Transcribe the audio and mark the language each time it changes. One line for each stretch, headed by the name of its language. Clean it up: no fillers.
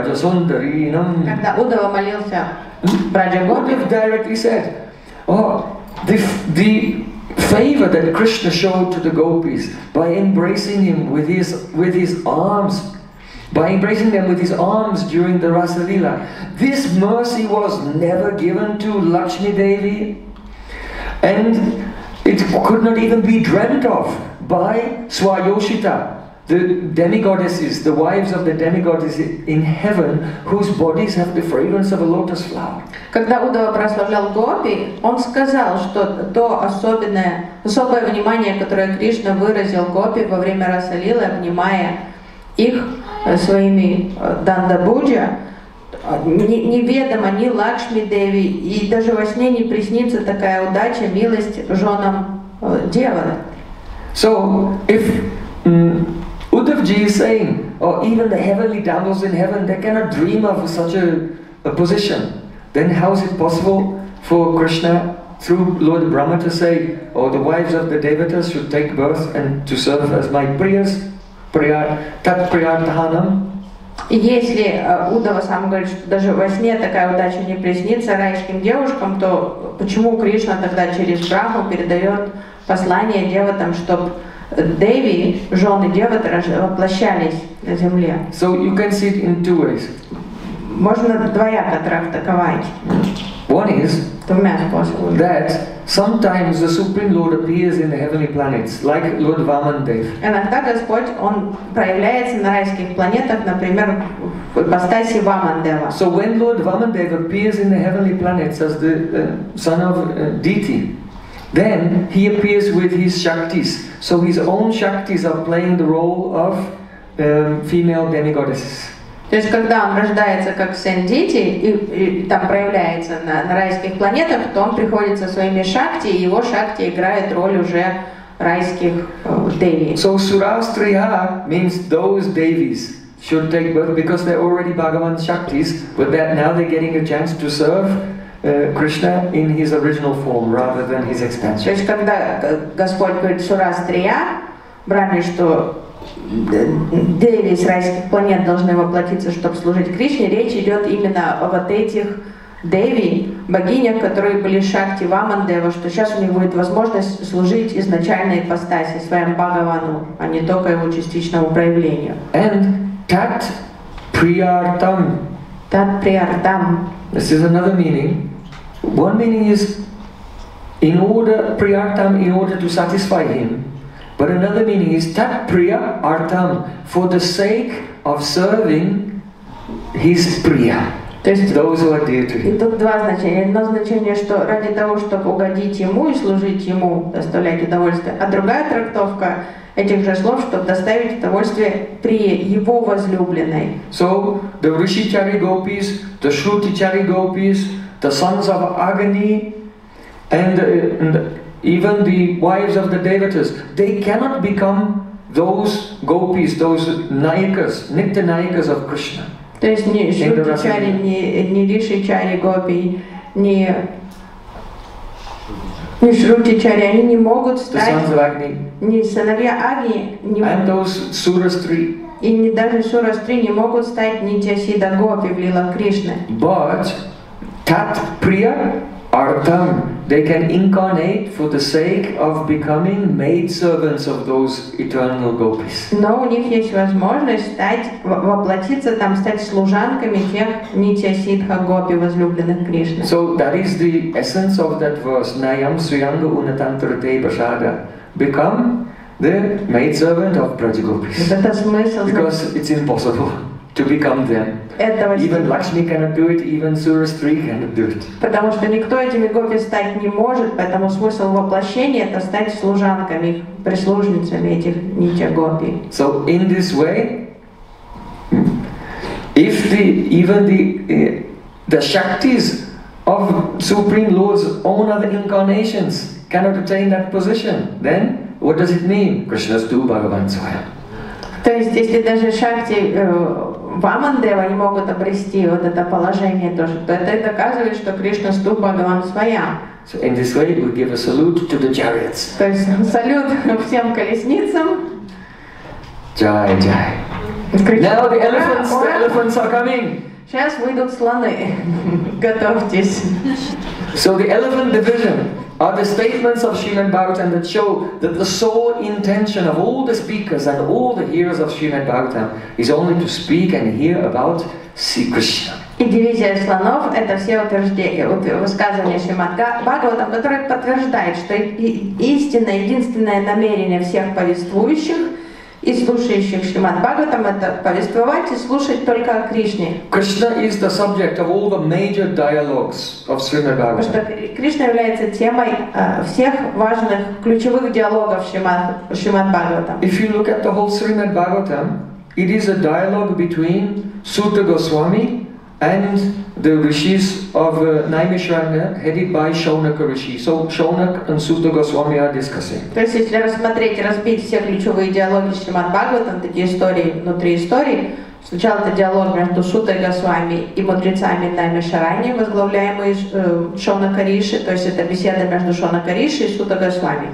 Russian: Когда Удава молился, Браджа Гопи
English: directly said, "Oh, the favor that Krishna showed to the gopis by embracing him with his arms during the Rasa Lila, this mercy was never given to Lakshmi Devi, and it could not even be dreamt of by Swayoshita." The demigoddesses, the wives of the demigoddesses in heaven, whose bodies have the fragrance of a lotus flower.
Russian: Когда Удава прославлял Гопи, он сказал, что то особое внимание, которое Кришна выразил Гопи во время Расалилы, обнимая их своими дандабуджа, неведомо ни Лакшми Деви, и даже во сне не приснится такая удача, милость женам девы.
English: So, if Uddhavji is saying, or even the heavenly damsels in heaven, they cannot dream of such a position. Then how is it possible for Krishna, through Lord Brahma, to say, or the wives of the devatas should take birth and to serve as my priyas, tat priyartahanam?
Russian: Если Удава сам говорит, что даже во сне такая удача не приснится райским девушкам, то почему Кришна тогда через Брахму передает послание девотам, чтобы Деви, жены девот, воплощались на земле?
English: So you can see it in two ways.
Russian: Можно двояко трактовать.
English: One is that sometimes the Supreme Lord appears in the heavenly planets, like Lord Vamandev.
Russian: Иногда Господь, он проявляется на райских планетах, например, в ипостаси Вамандева.
English: So when Lord Vamandev appears in the heavenly planets as the son of Diti, then he appears with his shaktis. So his own shaktis are playing the role of female demigoddesses.
Russian: То есть когда он рождается как сын Дити и там проявляется на райских планетах, то он приходит со своими шакти, и его шакти играет роль уже райских деви.
English: So Surastriya means those devis should take birth because they're already Bhagavan Shaktis, but that now they're getting a chance to serve Krishna in his original form rather than his expansion.
Russian: То есть когда Господь говорит Surastriya, брами, что деви с райских планет должны воплотиться, чтобы служить Кришне, речь идет именно о вот этих деви, богинях, которые были Шакти Вамандева, что сейчас у них будет возможность служить изначальной ипостаси, своим Бхагавану, а не только его частичному проявлению.
English: And tat priyartam.
Sanskrit: Tat priyartam.
English: This is another meaning. One meaning is in order, priyartam, in order to satisfy him. But another meaning is tat priya artam, for the sake of serving his priya.
Russian: То есть
English: those who are dear to him.
Russian: И тут два значения. Одно значение, что ради того, чтобы угодить ему и служить ему, доставлять удовольствие. А другая трактовка этих же слов, чтобы доставить удовольствие при его возлюбленной.
English: So the Rishichari gopis, the Shrutichari gopis, the sons of Agni, and even the wives of the devatas, they cannot become those gopis, those nayakas, nitya nayakas of Krishna.
Russian: То есть ни Шрутичари, ни Ришичари Гопи, ни Шрутичари, они не могут стать ни сыновья Агни, ни
English: and those Surastri.
Russian: И ни, даже Surastri не могут стать Нитья Сидха Гопи в лилах Кришны.
English: But tat priya artam, they can incarnate for the sake of becoming maid servants of those eternal gopis.
Russian: Но у них есть возможность стать, воплотиться там, стать служанками тех нитья сиддха гопи, возлюбленных Кришны.
English: So that is the essence of that verse, Nayam Suyanga Unatantra Te Bashaga. Become the maid servant of Braja gopis.
Russian: Это смысл.
English: Because it's impossible to become them.
Russian: Этого
English: even Lakshmi cannot do it, even Surastri cannot do it.
Russian: Потому что никто этими гопи стать не может, поэтому смысл воплощения — это стать служанками, прислужницами этих нитья гопи.
English: So in this way, if the even the Shaktis of Supreme Lord's own other incarnations cannot attain that position, then what does it mean? Krishna's two Bhagavan Swaya.
Russian: То есть, если даже Шакти Вамандева не могут обрести вот это положение тоже, то это доказывает, что Кришна Стуб Бхагаван Своя.
English: So in this way we give a salute to the chariots.
Russian: То есть салют всем колесницам. Jai, jai. Кришна,
English: now the elephants are coming.
Russian: Сейчас выйдут слоны. Готовьтесь.
English: So the elephant division are the statements of Srimad Bhagavatam that show that the sole intention of all the speakers and all the hearers of Srimad Bhagavatam is only to speak and hear about Sri Krishna.
Russian: И дивизия слонов — это все утверждения, высказывания Шримад Бхагаватам, которые подтверждают, что истинное, единственное намерение всех повествующих и слушающих Шримад Бхагаватам — это повествовать и слушать только о Кришне.
English: Krishna is the subject of all the major dialogues of Srimad Bhagavatam.
Russian: Потому что Кришна является темой всех важных ключевых диалогов Шримад Бхагаватам.
English: If you look at the whole Srimad Bhagavatam, it is a dialogue between Sutta Goswami and the rishis of Naimisharanya, headed by Shaunaka Rishi. So Shaunak and Sutta Goswami are discussing.
Russian: То есть если рассмотреть, разбить все ключевые диалоги Шримад Бхагаватам, такие истории внутри истории, сначала это диалог между Сутой Госвами и мудрецами Наймишараньи, возглавляемые Шаунака Риши, то есть это беседа между Шаунака Риши и Сутой Госвами.